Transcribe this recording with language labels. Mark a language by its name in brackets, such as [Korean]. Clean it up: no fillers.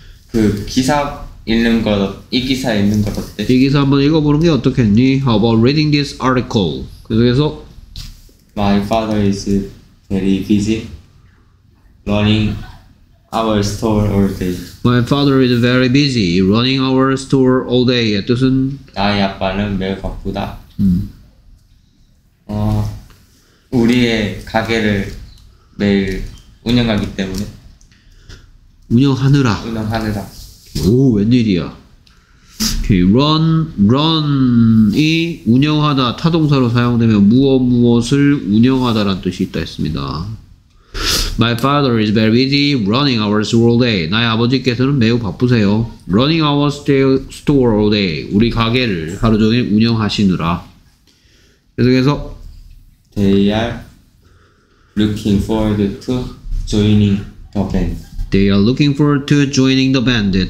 [Korean] 그 기사 읽는 것, 이 기사 읽는 것 어때? 이 기사 한번 읽어보는 게 어떻겠니? [English] How about reading this article? [Korean] 계속해서 [English] My father is very busy running our store all day. My father is very busy running our store all day. [Korean] 예, 뜻은? 나의 아빠는 매우 바쁘다. 우리의 가게를 매일 운영하기 때문에 운영하느라. 운영하느라. 오, 웬일이야. Okay, run, run이 운영하다, 타동사로 사용되면 무엇 무엇을 운영하다라는 뜻이 있다 했습니다. [English] My father is very busy running our store all day. [Korean] 나의 아버지께서는 매우 바쁘세요. [English] Running our store all day. [Korean] 우리 가게를 하루 종일 운영하시느라. 계속해서 [English] They are looking forward to joining the band. They are looking forward to joining the band.